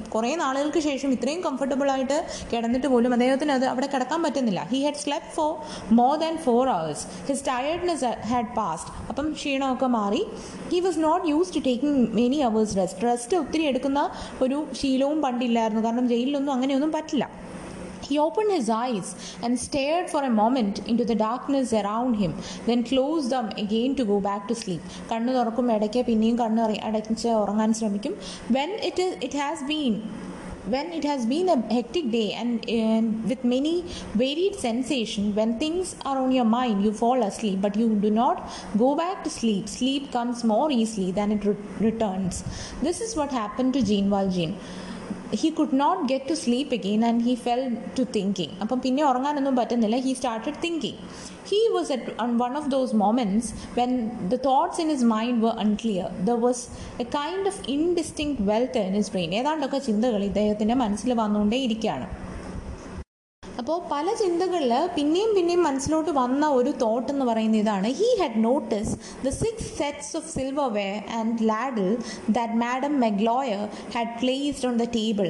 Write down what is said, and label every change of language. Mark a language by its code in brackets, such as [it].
[ml] Kore naalukalkku shesham ithrayum comfortable aayittu kadannittu പോലും അദ്ദേഹത്തിന് അത് അവിടെ കിടക്കാൻ പറ്റുന്നില്ല. [en] He had slept for more than 4 hours. His tiredness had passed. [ml] അപ്പം ക്ഷീണമൊക്കെ മാറി. [en] He was not use to taking many hours rest. [ml] Rest ഒത്തിരി എടുക്കുന്ന ഒരു ശീലവും പണ്ടില്ലായിരുന്നു, കാരണം ജയിലിലൊന്നും അങ്ങനെയൊന്നും പറ്റില്ല. [en] He opened his eyes and stared for a moment into the darkness around him, then closed them again to go back to sleep. [ml] കണ്ണു തുറക്കും ഇടയ്ക്ക് പിന്നെയും കണ്ണു അടച്ച് ഉറങ്ങാൻ ശ്രമിക്കും. [en] When it has been a hectic day and with many varied sensations, when things are on your mind, you fall asleep, but you do not go back to sleep. Sleep comes more easily than it returns. This is what happened to Jean Valjean. He could not get to sleep again and he fell to thinking. [ml] Appo pinne oranganonum pattunnilla, [en] he started thinking. He was at on one of those moments when the thoughts in his mind were unclear. There was a kind of indistinct wealth in his brain. [ml] Edandokka chindagal idayathinte manasil vannonde irikkana. അപ്പോൾ പല ചിന്തകളിൽ പിന്നെയും മനസ്സിലോട്ട് വന്ന ഒരു thought എന്ന് പറയുന്ന ഇതാണ്. [en] He had notice the 6 sets of silverware and ladle that madam Magloire had placed on the table.